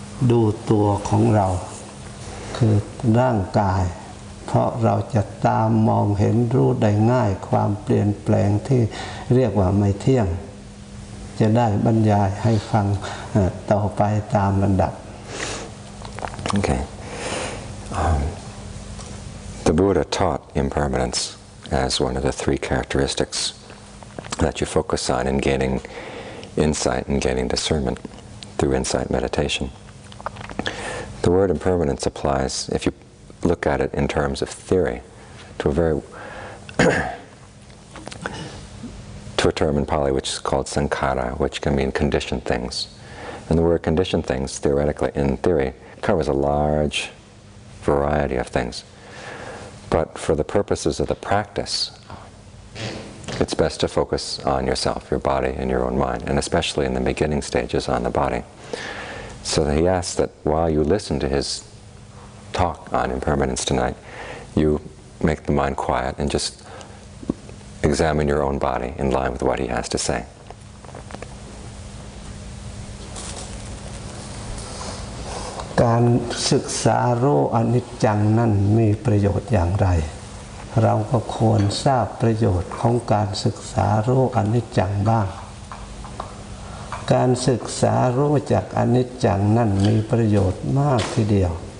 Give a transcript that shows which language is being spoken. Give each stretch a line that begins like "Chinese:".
Thai: ดูตัวของเราคือร่างกายเพราะเราจะตามมองเห็นรู้ได้ง่ายความเปลี่ยนแปลงที่เรียกว่าไม่เที่ยงจะได้บรรยายให้ฟังต่อไปตามลำดับ โอเค
English: The Buddha taught impermanence as one of the three characteristics that you focus on in gaining insight and gaining discernment through insight meditationThe word impermanence applies, if you look at it in terms of theory, to a very to a term in Pali which is called sankhara, which can mean conditioned things. And the word conditioned things, theoretically, in theory, covers a large variety of things. But for the purposes of the practice, it's best to focus on yourself, your body, and your own mind, and especially in the beginning stages on the body. So he asked that while you listen to his talk on impermanence tonight, you make the mind quiet and just examine your own body in line with what he has to say.
Thai: การศึกษารู้อนิจจังนั้นมีประโยชน์อย่างไรเราก็ควรทราบประโยชน์ของการศึกษารู้อนิจจังบ้างการศึกษารู้จักอนิจจังนั่นมีประโยชน์มากทีเดียว